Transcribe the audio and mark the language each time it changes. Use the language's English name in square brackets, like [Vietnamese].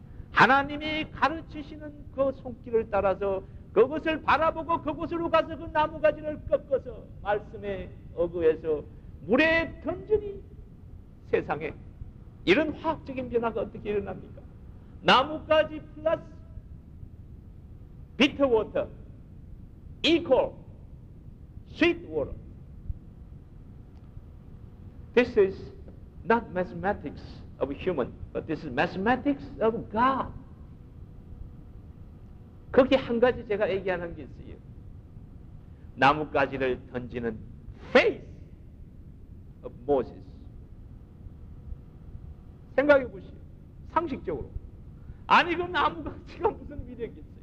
[Korean] 하나님이 가르치시는 그 손길을 따라서 그것을 바라보고 그곳으로 가서 그 나무가지를 꺾어서 말씀에 어그해서 물에 던지니 세상에 이런 화학적인 변화가 어떻게 일어납니까? [English] 나뭇가지 플러스 비터 워터 이퀄 스위트 워터. This is not mathematics of human, but this is mathematics of God. [Korean] 거기 한 가지 제가 얘기하는 게 있어요. 나뭇가지를 던지는 [English] faith of Moses. [Korean] 생각해 보시오. 상식적으로. 아니, 그 나뭇가지가 무슨 위력이 있어요?